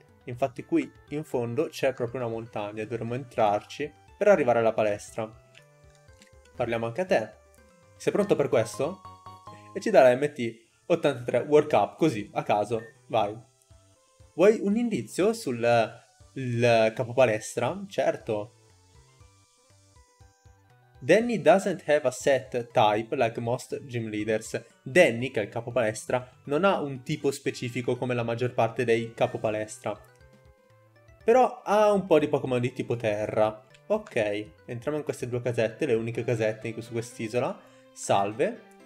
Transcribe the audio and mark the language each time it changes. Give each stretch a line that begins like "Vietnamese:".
Italian: Infatti qui in fondo c'è proprio una montagna, dovremmo entrarci per arrivare alla palestra. Parliamo anche a te. Sei pronto per questo? E ci dà la MT 83 World Cup, così, a caso, vai. Vuoi un indizio sul capopalestra? Certo.
English: Danny doesn't have a set type like most gym leaders.
Italian: Danny, che è il capopalestra, non ha un tipo specifico come la maggior parte dei capopalestra. Però ha un po' di Pokémon di tipo terra. Ok, entriamo in queste due casette, le uniche casette su quest'isola. Salve.